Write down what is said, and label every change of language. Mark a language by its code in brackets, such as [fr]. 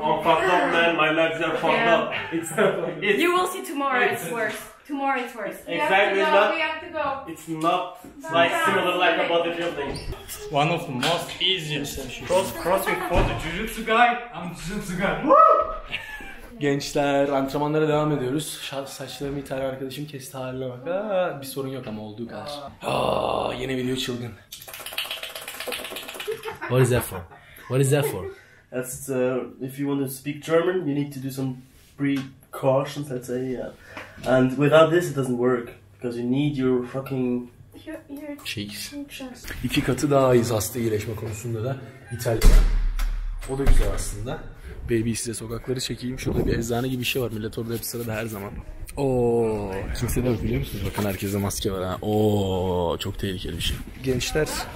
[en] Oh, fucked up, man. My legs are fucked up. It's not. You will see tomorrow. It's worse. Tomorrow it's worse. Exactly. We have to go. It's not like similar like a bodybuilding. One of the most easiest sessions. Crossing for the jujutsu guy. I'm jujutsu guy. Woo! [tr] Gençler, antrenmanlara devam ediyoruz. Saçlarımı İtalya arkadaşım kesti, haline bak. Bir sorun yok ama olduğu kadar. Yeni video çılgın. [en] What is that for? What is that for? That's if you want to speak German, you need to do some precautions, let's say, yeah. And without this it doesn't work because you need your fucking cheeks. [tr] İki katı daha iyi hasta iyileşme konusunda da İtalya. O da güzel aslında. Baby size sokakları çekeyim. Şurada bir eczane gibi bir şey var. Millet orada hep sırada her zaman. Ooo. Kimse de yok biliyor musunuz? Bakın herkese maske var ha. Ooo. Çok tehlikeli bir şey. Gençler.